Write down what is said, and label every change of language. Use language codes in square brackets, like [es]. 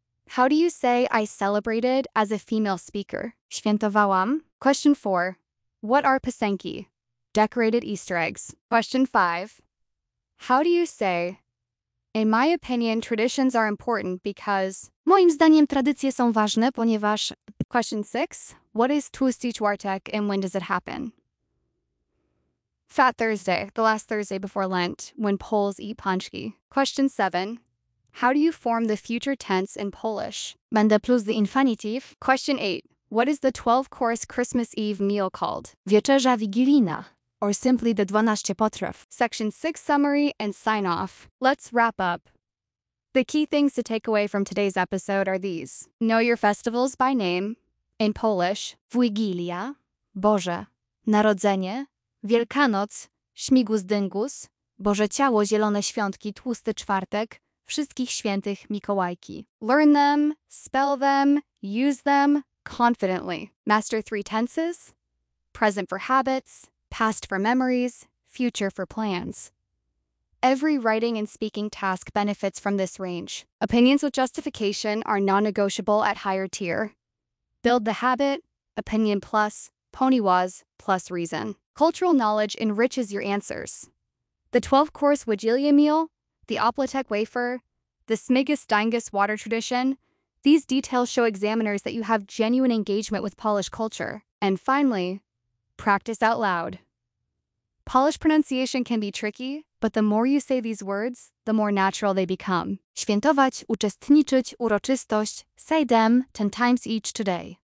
[en] How do you say I celebrated as a female speaker? [pl] Świętowałam. [en] Question 4. What are pysenki? Decorated Easter eggs. Question 5. How do you say, in my opinion, traditions are important because... [pl] Moim zdaniem tradycje są ważne, ponieważ... [en] Question 6. What is Tłusty Czwartek and when does it happen? Fat Thursday, the last Thursday before Lent, when Poles eat pączki. Question 7. How do you form the future tense in Polish? [pl] Będę [en] plus the infinitive. Question 8. What is the 12-course Christmas Eve meal called? [pl] Wieczerza Wigilijna. [en] Or simply the 12 [pl] potraw. [en] Section 6 summary and sign off. Let's wrap up. The key things to take away from today's episode are these. Know your festivals by name. In Polish, [pl] Wigilia, Boże, Narodzenie, Wielkanoc, Śmigus Dyngus, Boże Ciało, Zielone Świątki, Tłusty Czwartek, Wszystkich Świętych Mikołajki. [en] Learn them, spell them, use them confidently. Master 3 tenses, present for habits, past for memories, future for plans. Every writing and speaking task benefits from this range. Opinions with justification are non-negotiable at higher tier. Build the habit, opinion plus, pony was, plus reason. Cultural knowledge enriches your answers. The 12-course Wigilia meal, the opłatek wafer, the Smigus Dingus water tradition, these details show examiners that you have genuine engagement with Polish culture. And finally, practice out loud. Polish pronunciation can be tricky, but the more you say these words, the more natural they become. [pl] Świętować, uczestniczyć, uroczystość, [en] say them 10 times each today.